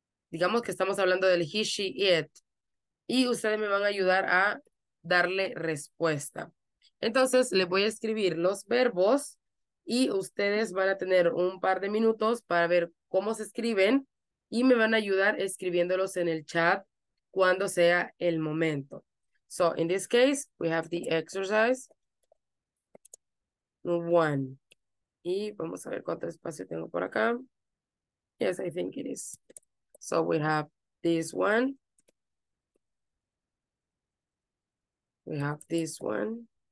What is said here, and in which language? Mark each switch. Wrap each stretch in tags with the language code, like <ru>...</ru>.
<es>Digamos que estamos hablando del he, she, it. Y ustedes me van a ayudar a darle respuesta. Entonces, le voy a escribir los verbos y ustedes van a tener un par de minutos para ver cómo se escriben y me van a ayudar escribiéndolos en el chat cuando sea el momento.</es> <en>So, in this case, we have the exercise. One.</en> <es>Y vamos a ver cuánto espacio tengo por acá.</es> <en>Yes, I think it is. So we have this one. We have this one.</en>